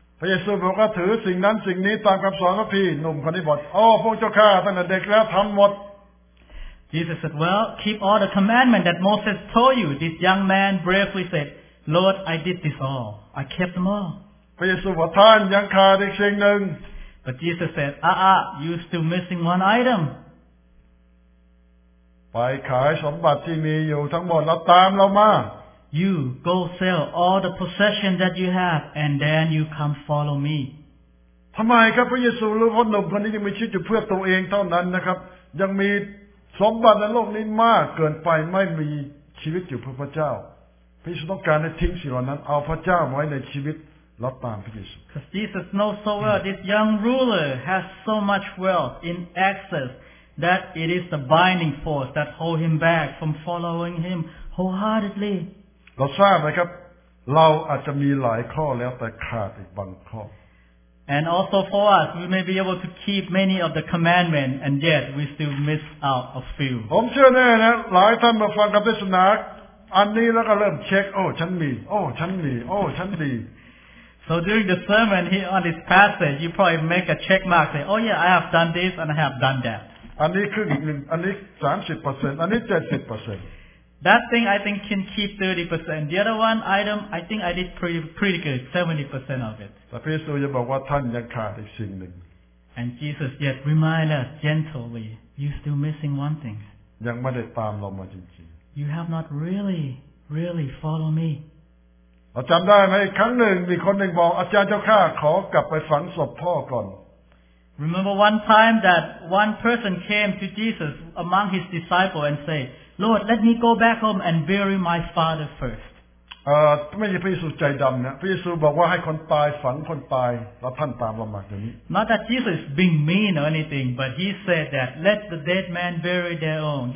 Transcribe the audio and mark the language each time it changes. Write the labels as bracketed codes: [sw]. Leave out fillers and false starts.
[th] พระเยซูบอกว่าถือสิ่งนั้นสิ่งนี้ตามคำสอนพระพี่หนุ่มคนนี้บอกโอ้พวกเจ้าข้าตั้งแต่เด็กแล้วทำหมด [en] Jesus said well keep all the commandments that Moses told you this young man bravely said Lord I did this all I kept them all [th] พระเยซูบอกท่านยังขาดอีกสิ่งหนึ่ง [en] but Jesus said you still missing one item [th] ไปขายสมบัติที่มีอยู่ทั้งหมดแล้วตามเรามา [en] You go sell all the possessions that you have, and then you come follow me. [th] ทำไมครับพระเยซูรู้ว่าหนุ่มคนนี้ยังมีชีวิตอยู่เพื่อตัวเองเท่านั้นนะครับยังมีสมบัติในโลกนี้มากเกินไปไม่มีชีวิตอยู่เพื่อพระเจ้าพระเยซูต้องการให้ทิ้งสิ่งเหล่านั้นเอาพระเจ้าไว้ในชีวิตรับตามพระเยซู [en] Because Jesus knows so well this young ruler has so much wealth in excess that it is the binding force that hold him back from following him wholeheartedly. [th] เราทราบไหมครับเราอาจจะมีหลายข้อแล้วแต่ขาดอีกบางข้อ [en] And also for us we may be able to keep many of the commandments and yet we still miss out a few [th] ผมเชื่อแน่นะหลายท่านมาฟังคำเทศนาอันนี้แล้วก็เริ่มเช็คโอ้ฉันมีโอ้ฉันมีโอ้ฉันมี [en] So during the sermon here on this passage you probably make a check mark say oh yeah I have done this and I have done that [th] อันนี้ครึ่งนึงอันนี้ 30% อันนี้ 70% [en] That thing I think can keep 30%. The other one item I think I did pretty good, 70% of it. [th] พระเยซูจะบอกว่าท่านยังขาดอีกสิ่งหนึ่ง [en] And Jesus yet remind us gently, you're still missing one thing. [th] ยังไม่ได้ตามเรามาจริง [en] ๆ You have not really follow me. [th] เราจำได้ไหมครั้งหนึ่งมีคนหนึ่งบอกอาจารย์เจ้าข้าขอกลับไปฝังศพพ่อก่อน [en] Remember one time that one person came to Jesus among his disciples and said, Lord, let me go back home and bury my father first. Not that Jesus is being mean or anything, but he said that, let the dead man bury their own.